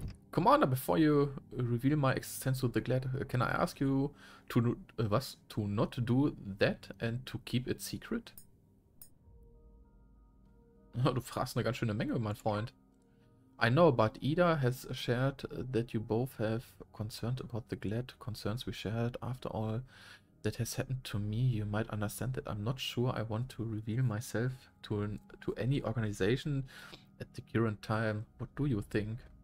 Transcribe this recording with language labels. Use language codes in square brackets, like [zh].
[en] Commander, before you reveal my existence to the GLAAD, can I ask you to, was? To not do that and to keep it secret? [de] Du fragst eine ganz schöne Menge, mein Freund. [en] I know, but Ida has shared that you both have concerned about the GLAAD concerns we shared. After all, that has happened to me. You might understand that I'm not sure I want to reveal myself to any organization at the current time. What do you think?